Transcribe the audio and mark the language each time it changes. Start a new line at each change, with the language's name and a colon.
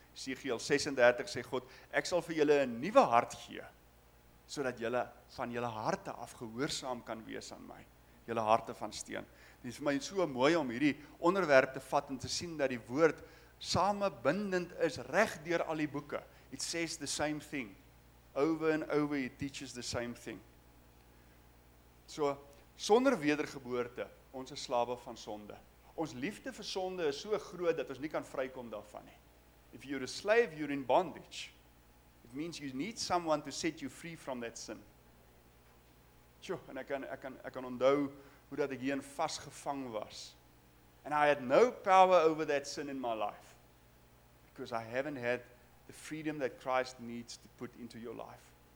Afrikaans: Siegiel 36 sê God, ek sal vir julle 'n nuwe hart gee, sodat julle van julle harte af gehoorsaam kan wees aan my. Julle harte van steen. Dit is vir my so mooi om hierdie onderwerp te vat en te sien dat die woord samebindend is reg deur al die boeke.
English: It says the same thing. Over and over it teaches the same thing.
Afrikaans: So, sonder wedergeboorte, ons is slawe van sonde. Ons liefde vir sonde is so groot dat ons nie kan vrykom daarvan nie.
English: If you're a slave, you're in bondage. It means you need someone to set you free from that sin.
Afrikaans: Tjoh, en ek kan onthou hoe dat ek hierin vasgevang was.
English: And I had no power over that sin in my life. Because I haven't had the freedom that Christ needs to put into your life.